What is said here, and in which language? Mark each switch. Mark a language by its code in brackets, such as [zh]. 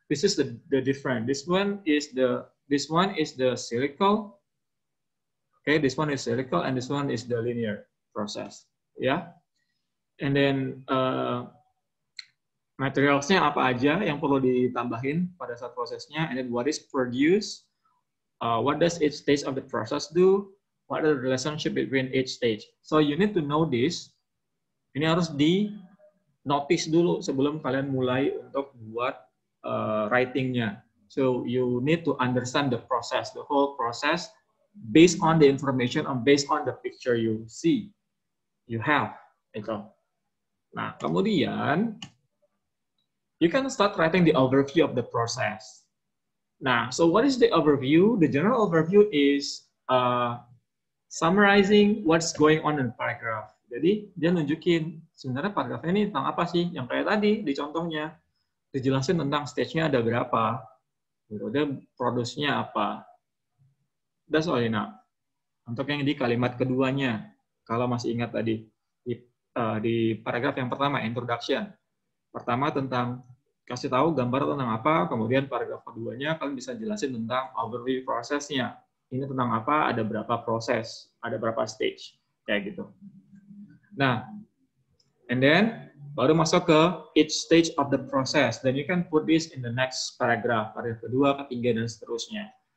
[en] This is the different. This one is the silical. Okay, this one is silical and this one is the linear process. Yeah. [id] And then materialsnya apa aja yang perlu ditambahin pada saat prosesnya? [en] And then what is produced? What does each stage of the process do? What are the relationship between each stage? So you need to know this. [id] Ini harus di notice dulu sebelum kalian mulai untuk buat writing-nya. [en] So you need to understand the process, the whole process based on the information and based on the picture you see, you have. Itu. Nah, kemudian you can start writing the overview of the process. Nah, so what is the overview? The general overview is summarizing what's going on in the paragraph. [id] Jadi, dia nunjukin sebenarnya paragraf ini tentang apa sih? Yang kayak tadi di contohnya dijelasin tentang stage-nya ada berapa, kemudian produce-nya apa. [en] That's all enough. [id] Untuk yang di kalimat keduanya, kalau masih ingat tadi, di paragraf yang pertama, introduction. Pertama tentang, kasih tahu gambar tentang apa, kemudian paragraf keduanya, kalian bisa jelasin tentang overview process-nya. Ini tentang apa, ada berapa proses, ada berapa stage. Kayak gitu. [en] Nah, and then, [id] baru masuk ke [en] each stage of the process. Then you can put this in the next paragraph, [id] paragraf kedua, ketiga, dan seterusnya.